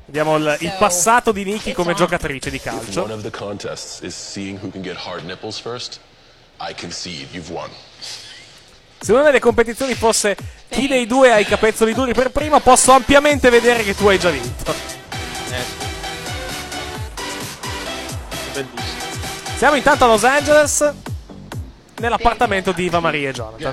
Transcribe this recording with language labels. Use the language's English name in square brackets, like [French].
[Italian] Vediamo il passato di Nikki come giocatrice di calcio. [English] If one of the contests is seeing who can get hard nipples first, I concede you've won. [Italian] Se una delle competizioni fosse chi dei due ha i capezzoli duri per primo, posso ampiamente vedere che tu hai già vinto. Bellissimo. Siamo intanto a Los Angeles, nell'appartamento di Eva Marie e Jonathan.